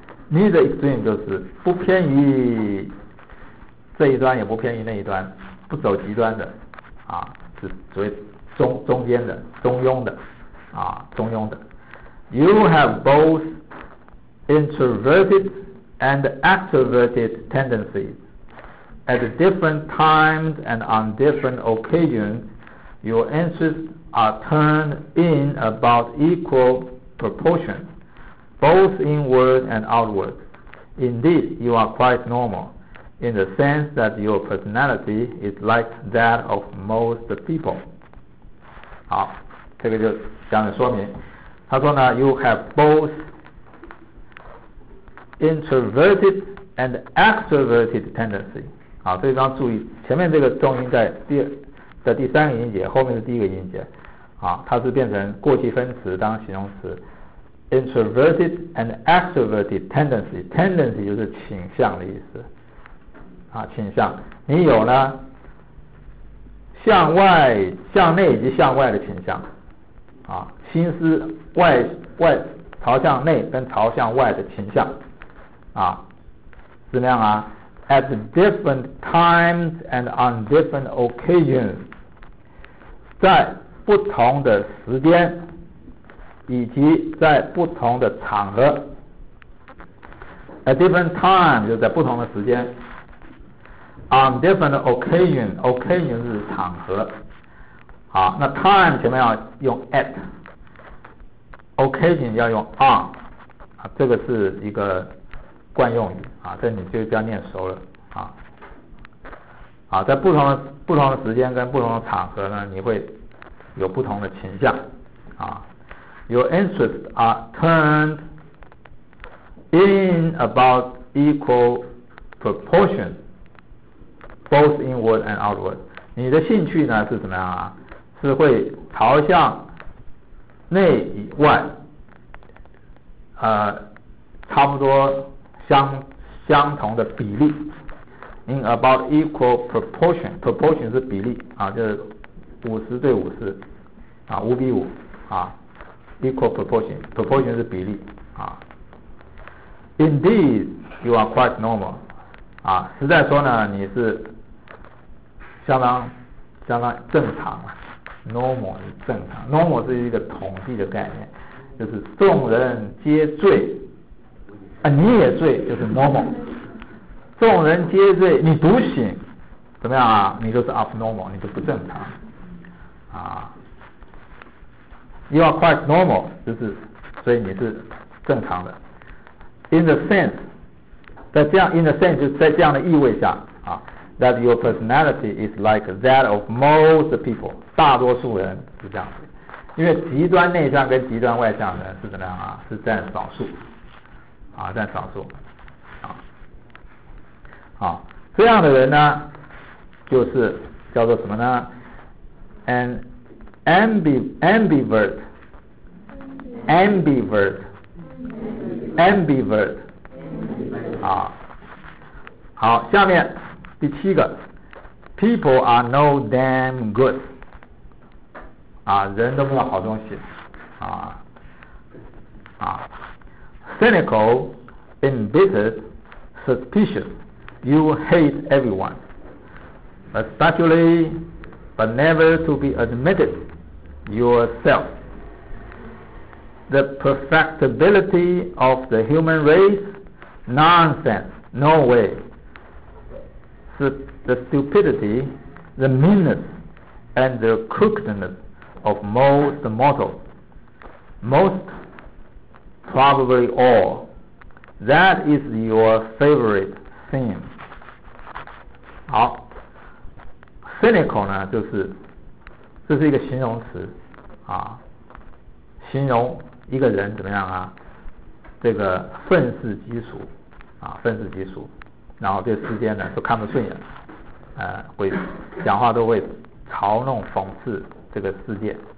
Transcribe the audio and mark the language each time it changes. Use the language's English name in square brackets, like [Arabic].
[English] Neither extreme [Chinese] 就是不偏于这一端，也不偏于那一端，不走极端的啊，是所谓中间的、中庸的啊，中庸的。 [English] You have both introverted and extroverted tendencies. At different times and on different occasions, your interests are turned in about equal. Proportion, both inward and outward. Indeed, you are quite normal, in the sense that your personality is like that of most people. [Chinese] 好，这个就讲的说明。他说呢 ， [English] You have both introverted and extroverted tendency. [Chinese] 好，这地方注意，前面这个重音在第三个音节，后面是第一个音节。好，它是变成过去分词当形容词。 [English] Introverted and extroverted tendency. [Chinese] Tendency 就是倾向的意思啊，倾向。你有呢向外、向内以及向外的倾向啊，心思外朝向内跟朝向外的倾向啊，怎么样啊？ [English] At different times and on different occasions， [Chinese] 在不同的时间以及在不同的场合。 [English] At different time [Chinese] 就是在不同的时间， [English] On different occasion， occasion 是场合。 [Chinese] 好，那 time 前面要用 at， occasion 要用 on 啊，这个是一个惯用语啊，这你就不要念熟了啊。啊，在不同的时间跟不同的场合呢，你会有不同的倾向啊。 [English] Your interests are turned in about equal proportion, both inward and outward. [Chinese] 你的兴趣呢是怎么样啊？是会朝向内以外，差不多相同的比例 ， [English] in about equal proportion. [Chinese] Proportion 是比例啊，就是50:50啊，5:5啊 ， [English] equal proportion. [Chinese] Proportion 是比例啊。 [English] Indeed, you are quite normal. [Chinese] 啊，实在说呢，你是相当正常了。 Normal 是正常 ，normal 是一个统计的概念，就是众人皆醉，啊，你也醉就是 normal， 众人皆醉，你独醒，怎么样啊？你就是 abnormal， 你就不正常，啊 ， [English] you are quite normal， [Chinese] 就是所以你是正常的 ，in the sense， 在这样 in the sense 就是在这样的意味下啊。 [English] That your personality is like that of most people. [Chinese] 大多数人是这样子，因为极端内向跟极端外向的人是怎么样啊？是占少数，啊，占少数，啊，好，这样的人呢，就是叫做什么呢 ？ [English] An ambivert， [Chinese] 啊，好，下面。 [English] 第七个 ，people are no damn good， [Chinese] 啊，人都没有好东西，啊，啊 [English] ，cynical, embittered, suspicious, you hate everyone, especially, but never to be admitted yourself. The perfectibility of the human race, nonsense, no way. The stupidity, the meanness, and the crookedness of most mortals, most probably all, that is your favorite theme. [Chinese] 好 ，cynical 呢，就是这是一个形容词啊，形容一个人怎么样啊？这个愤世嫉俗啊，愤世嫉俗。然后对世间呢都看不顺眼，会讲话都会嘲弄讽刺这个世界。